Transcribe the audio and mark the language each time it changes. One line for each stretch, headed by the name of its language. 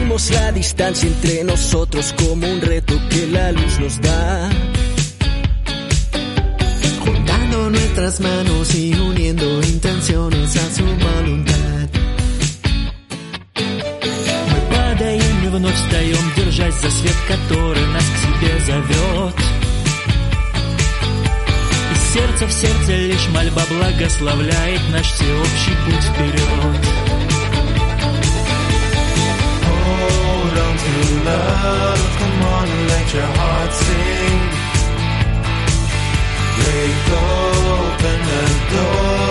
Spanish: La distancia entre nosotros como un reto que la luz nos da. Juntando nuestras manos y uniendo intenciones a su voluntad.
Russian: Мы падаем и вновь встаем, держась за свет, который нас к себе зовет. И сердце в сердце лишь мольба благословляет наш всеобщий путь вперед.
English: Love, come on and let your heart sing. Break open the door.